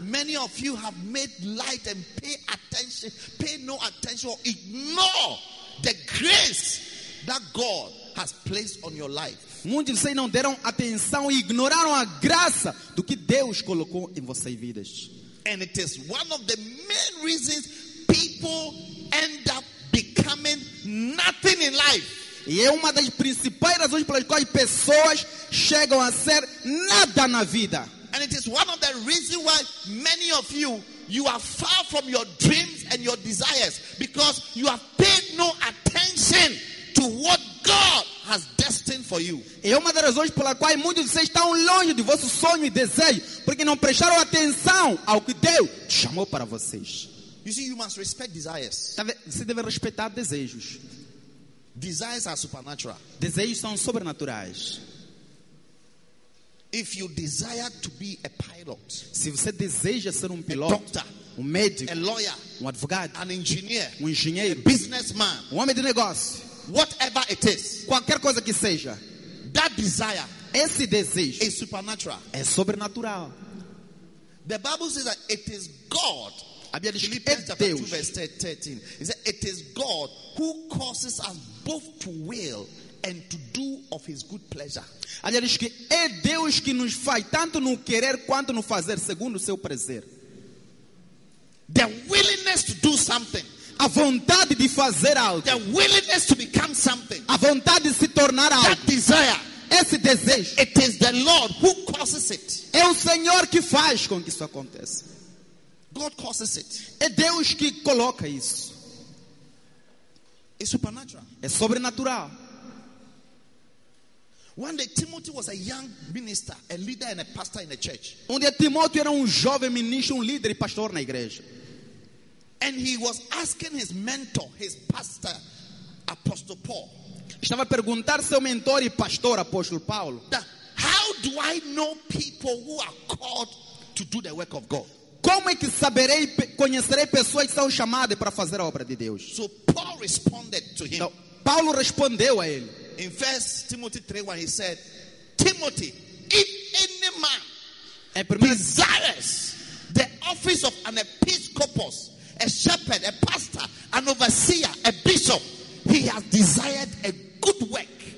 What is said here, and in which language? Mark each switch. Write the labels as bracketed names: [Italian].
[English] Many of you have made light and pay no attention or ignore the grace that God has placed on your life. [Portuguese] Muitos de vocês não deram atenção e ignoraram a graça do que Deus colocou em vossas vidas. [English] And it is one of the main reasons people end up becoming nothing in life. [Portuguese] E é uma das principais razões pelas quais pessoas chegam a ser nada na vida. [English] And it is one of the reasons why many of you are far from your dreams and your desires, because you have paid no attention to what God has destined for you. [Portuguese] É uma das razões pela qual muitos de vocês estão longe de vosso sonho e desejo, porque não prestaram atenção ao que Deus te chamou para vocês. [English] You see, you must respect desires. [Portuguese] Você deve respeitar desejos. [English] Desires are supernatural. [Portuguese] Desejos são sobrenaturais. [English] If you desire to be a pilot, [Portuguese] se você deseja ser um piloto, [English] a doctor, [Portuguese] um médico, [English] a lawyer, [Portuguese] um advogado, [English] an engineer, [Portuguese] um engenheiro, [English] a businessman, [Portuguese] um homem de negócio, [English] whatever it is, [Portuguese] qualquer coisa que seja, [English] that desire, [Portuguese] esse desejo, [English] is supernatural, [Portuguese] é sobrenatural. [English] The Bible says that it is God. [Portuguese] A Bíblia diz [English] Philippians [Portuguese] que é [English] chapter [Portuguese] Deus. [English] 2 verse 13. It says it is God who causes us both to will and to do of his good pleasure. [Portuguese] A Bíblia diz que é Deus que nos faz tanto no querer quanto no fazer segundo o seu prazer. [English] The willingness to do something. [Portuguese] A vontade de fazer algo. [English] The willingness to become something. [Portuguese] A vontade de se tornar algo. [English] That desire. [Portuguese] Esse desejo. [English] It is the Lord who causes it. [Portuguese] É o Senhor que faz com que isso aconteça. [English] God causes it. [Portuguese] É Deus que coloca isso. [English] It's supernatural. [Portuguese] É sobrenatural. [English] One day Timothy was a young minister, a leader and a pastor in a church. [Portuguese] Um dia Timóteo era um jovem ministro, um líder e pastor na igreja. [English] And he was asking his mentor, his pastor, Apostle Paul. [Portuguese] Estava a perguntar seu mentor e pastor, Apóstolo Paulo. [English] How do I know people who are called to do the work of God? [Portuguese] Como é que saberei, conhecerei pessoas que são chamadas para fazer a obra de Deus? [English] So Paul responded to him. [Portuguese] Então, Paulo respondeu a ele. [English] In 1 Timothy 3, 1, he said, Timothy, if any man desires the office of an episcopus, a shepherd, a pastor, an overseer, a bishop, he has desired a good work.